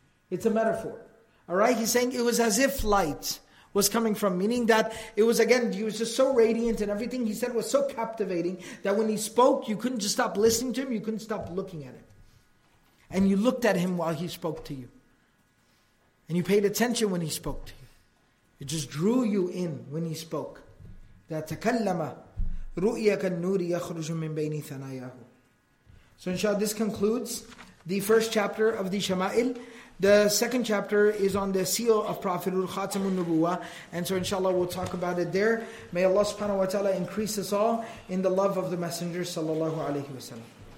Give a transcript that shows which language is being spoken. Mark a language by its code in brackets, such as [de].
[en] It's a metaphor. All right, he's saying it was as if light was coming from, meaning that it was, again, he was just so radiant and everything he said was so captivating that when he spoke, you couldn't just stop listening to him, you couldn't stop looking at him. And you looked at him while he spoke to you. And you paid attention when he spoke to you. It just drew you in when he spoke. That [ar] تَكَلَّمَ رُؤِيَكَ النُّورِ يَخْرُجُ مِنْ بَيْنِ ثَنَايَاهُ. [en] So inshallah, this concludes the first chapter of the Shama'il. The second chapter is on the seal of Prophetul Khatamun Nubuwwah. And so inshallah we'll talk about it there. May Allah subhanahu wa ta'ala increase us all in the love of the Messenger sallallahu alayhi wa sallam.